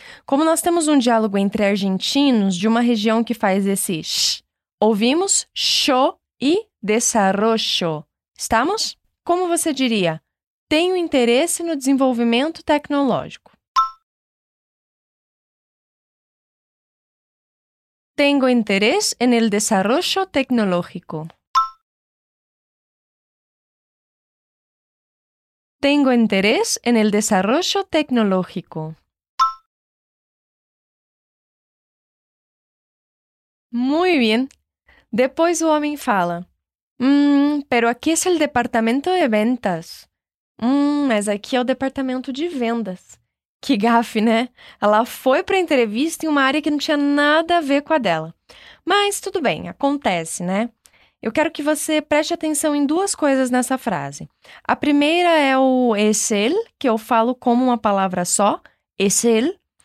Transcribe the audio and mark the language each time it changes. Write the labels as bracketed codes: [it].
[pt] Como nós temos um diálogo entre argentinos de uma região que faz esse sh, ouvimos show e desarrollo. Estamos? Como você diria? Tenho interesse no desenvolvimento tecnológico. [es] Tengo interés en el desarrollo tecnológico. Tengo interés en el desarrollo tecnológico. Muy bien. Después el hombre fala. Pero aquí es el departamento de ventas. [pt] Mas aqui é o departamento de vendas. Que gafe, né? Ela foi para a entrevista em uma área que não tinha nada a ver com a dela. Mas tudo bem, acontece, né? Eu quero que você preste atenção em duas coisas nessa frase. A primeira é o es él, que eu falo como uma palavra só. Es él.